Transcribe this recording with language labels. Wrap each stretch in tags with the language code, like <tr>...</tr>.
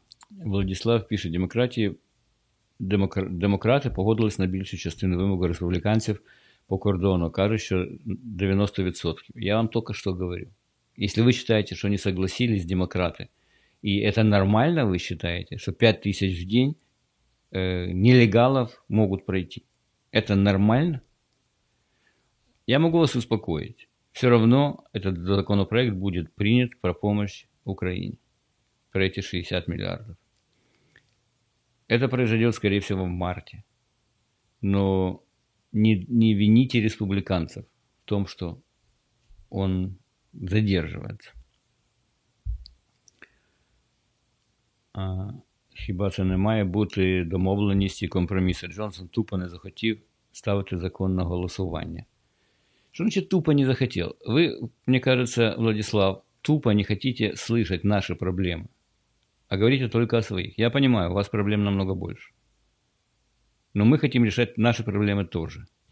<ru>Владислав пишет,</ru> <uk>демократы погодились на більшу частину вимогу республиканцев по кордону, кажуть, що 90%.</uk> <ru>Я вам только что говорю. Если вы считаете, что они согласились, демократы, и это нормально вы считаете, что 5 тысяч в день нелегалов могут пройти, это нормально? Я могу вас успокоить. Все равно этот законопроект будет принят про помощь Украине, про эти 60 миллиардов. Это произойдет, скорее всего, в марте. Но не вините республиканцев в том, что он задерживается.</ru> <uk>А хіба це не має бути домовленість і компроміс? Джонсон тупо не захотів ставити закон на голосування.</uk> <ru>Что значит тупо не захотел? Вы, мне кажется, Владислав, тупо не хотите слышать наши проблемы, а говорите только о своих. Я понимаю, у вас проблем намного больше. Но мы хотим решать наши проблемы тоже.</ru>